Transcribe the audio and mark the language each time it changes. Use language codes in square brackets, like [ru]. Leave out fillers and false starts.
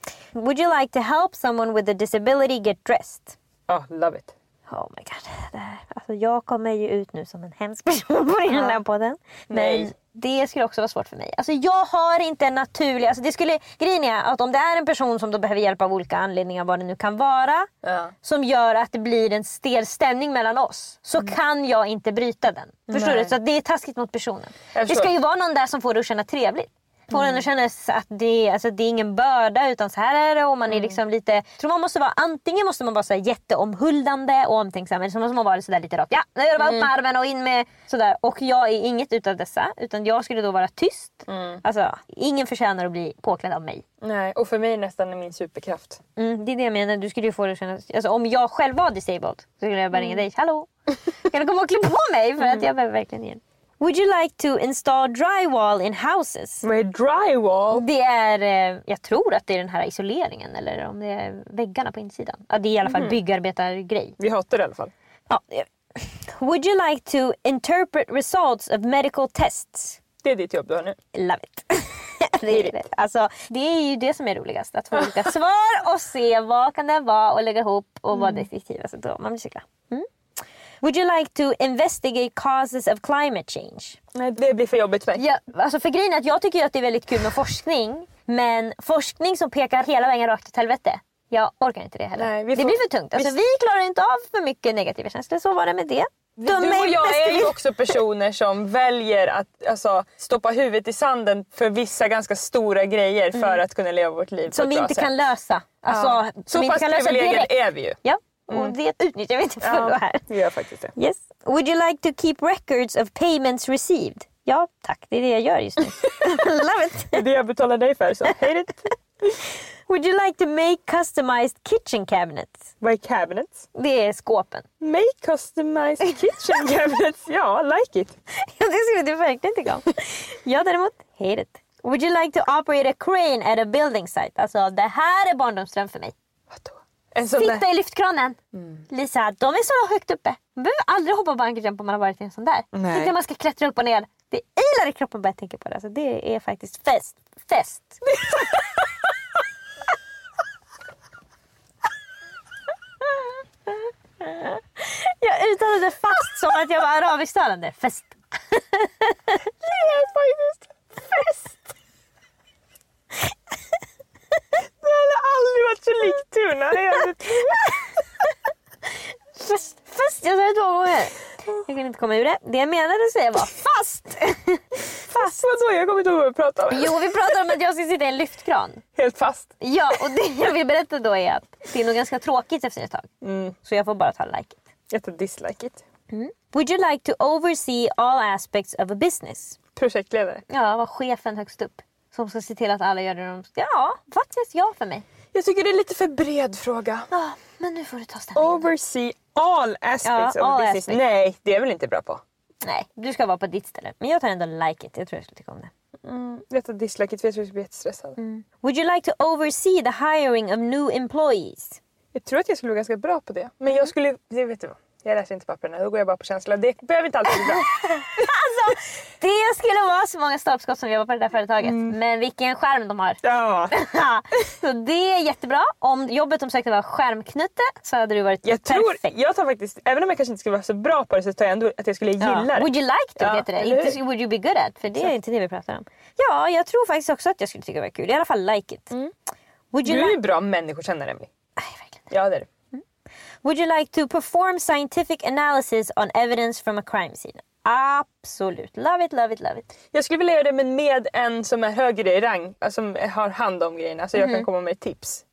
[en] Would you like to help someone with a disability get dressed? Ja, oh, love it. Oh my god. [sv] Alltså, jag kommer ju ut nu som en hemsk person på den här podden. Men... Nej. Det skulle också vara svårt för mig. Alltså jag har inte en naturlig... Alltså det skulle... Grejen är att om det är en person som då behöver hjälp av olika anledningar, vad det nu kan vara, ja, som gör att det blir en stel stämning mellan oss, så kan jag inte bryta den. Förstår du? Så att det är taskigt mot personen. Det ska ju vara någon där som får det att känna trevligt. Får den att känna att det, alltså, det är ingen börda, utan så här är det. Och man är liksom lite... Tror man måste vara... Antingen måste man vara så här jätteomhuldande och omtänksam. Eller så måste man vara så där lite rakt. Ja, nu gör det bara upp med armen och in med... Sådär. Och jag är inget utav dessa. Utan jag skulle då vara tyst. Mm. Alltså, ingen förtjänar att bli påklädd av mig. Nej, och för mig nästan är min superkraft. Mm, det är det jag menar. Du skulle ju få det att känna... Alltså, om jag själv var disabled så skulle jag bara ringa dig. Hallå? Kan du komma och klä på mig? För att jag behöver verkligen igen. [en] Would you like to install drywall in houses? [sv] Vad är drywall? Det är, jag tror att det är den här isoleringen. Eller om det är väggarna på insidan. Ja, det är i alla fall byggarbetargrej. Vi hatar det i alla fall. Ja. [en] Would you like to interpret results of medical tests? [sv] Det är ditt jobb du har nu. [en] Love it. [sv] Det är det. Alltså, det är ju det som är roligast. Att få olika svar och se vad kan det vara och lägga ihop. Och vad det effektivaste då. Man blir kika. Would you like to investigate causes of climate change? Nej, det blir för jobbigt för mig. Ja, alltså för grejen är att jag tycker ju att det är väldigt kul med forskning. Men forskning som pekar hela vägen rakt åt helvete. Jag orkar inte det heller. Nej, det blir för tungt. Alltså, vi klarar inte av för mycket negativa känslor. Så var det med det. Du och jag är ju också personer som väljer att alltså, stoppa huvudet i sanden för vissa ganska stora grejer för att kunna leva vårt liv. Som vi inte kan lösa. Alltså, ja. Så pass privilegier är vi ju. Ja. Och det utnyttjar vi inte för det här. Ja, faktiskt det. [en] Yes. Would you like to keep records of payments received? [sv] Ja, tack. Det är det jag gör just nu. [en] Love it. [sv] Det är det jag betalar dig för, så [en] hate it. Would you like to make customized kitchen cabinets? [sv] Vad är cabinets? Det är skåpen. [en] Make customized kitchen cabinets? Ja, like it. [sv] Ja, det ser du verkligen inte igång. Ja, däremot, hate it. [en] Would you like to operate a crane at a building site? [sv] Alltså, det här är barndomsdröm för mig. Vadå? Sitta i lyftkranen. Lisa, de är så högt uppe. Man behöver aldrig hoppa bankerjump om man har varit i en sån där. Tänk när man ska klättra upp och ner. Det ilar i kroppen bara jag tänker på det. Alltså, det är faktiskt fest. Fest. Jag uttalade fast som att jag var arabisktalande. Fest. Det är faktiskt fest. Det hade aldrig varit så likt Tuna. Fast, jag sa det två gånger. Jag kan inte komma ur det. Det jag menade att säga var fast. Fast. Vadå, jag kommer inte ihåg att prata om. Jo, vi pratar om att jag ska sitta i en lyftkran. Helt fast. Ja, och det jag vill berätta då är att det är nog ganska tråkigt efter ett tag. Mm. Så jag får bara ta [en] like it. [sv] Jag tar [en] dislike it. Mm. Would you like to oversee all aspects of a business? [sv] Projektledare. Ja, var chefen högst upp. Som ska se till att alla gör det de ska. Ja, faktiskt ja för mig. Jag tycker det är lite för bred fråga. Ja, men nu får du ta ställning. [en] Oversee all aspects of business. Aspect. [sv] Nej, det är väl inte bra på. Nej, du ska vara på ditt ställe. Men jag tar ändå [en] like it. [sv] Jag tror jag skulle tycka om det. Mm. Jag tar [en] dislike it, [sv] för jag tror jag skulle bli jättestressad. Mm. [en] Would you like to oversee the hiring of new employees? [sv] Jag tror att jag skulle vara ganska bra på det. Men jag skulle, det vet du vad. Jag läser inte papperna, då går jag bara på känsla. Det behöver inte alltid bli bra. Alltså, det skulle vara så många stolpskott som jobbar på det där företaget. Mm. Men vilken skärm de har. Ja. Så det är jättebra. Om jobbet de sökte var skärmknutte så hade du varit jag perfekt. Tror, jag tar faktiskt, även om jag kanske inte skulle vara så bra på det så tar jag ändå att jag skulle gilla det. [en] Would you like to, heter det. Inte, would you be good at? [sv] För det är inte det vi pratar om. Ja, jag tror faktiskt också att jag skulle tycka det var kul. I alla fall [en] like it. Mm. Would you [sv] du är bra människokännare, Emily. Nej, verkligen. Ja, det är du. [en] Would you like to perform scientific analysis on evidence from a crime scene? Absolut. Love it, love it, love it. [sv] Jag skulle vilja göra det, men med en som är högre i rang. Som har hand om grejerna. Så jag kan komma med tips.